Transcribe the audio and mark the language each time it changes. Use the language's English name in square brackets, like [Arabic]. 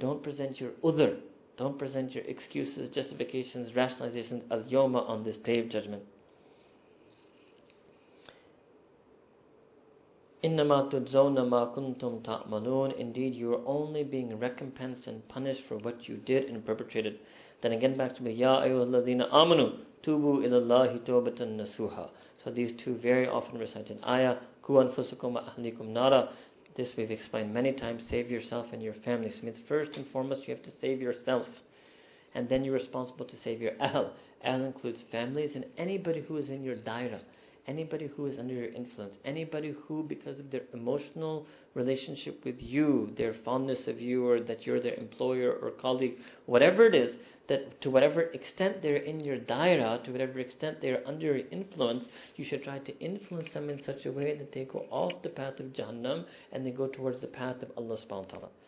[English] Don't present your udhr. Don't present your excuses, justifications, rationalizations al yoma on this day of judgment. [Arabic] إِنَّمَا تُجْزَوْنَ مَا كُنْتُمْ تَعْمَلُونَ. [English] Indeed, you are only being recompensed and punished for what you did and perpetrated. Then again back to me, [Arabic] يَا أَيُّهَا الَّذِينَ آمَنُوا تُوبُوا إِلَى اللَّهِ تَوْبَةً نَسُوحًا. [English] So these two very often recited ayah, [Arabic] كُوْ أَنفُسُكُمْ وَأَهْلِكُمْ نَارًا. [English] This we've explained many times, save yourself and your family. So it means first and foremost, you have to save yourself. And then you're responsible to save your ahl. Ahl includes families and anybody who is in your daira, anybody who is under your influence, anybody who, because of their emotional relationship with you, their fondness of you, or that you're their employer or colleague, whatever it is, that to whatever extent they're in your daira, to whatever extent they're under your influence, you should try to influence them in such a way that they go off the path of Jahannam and they go towards the path of Allah subhanahu wa ta'ala.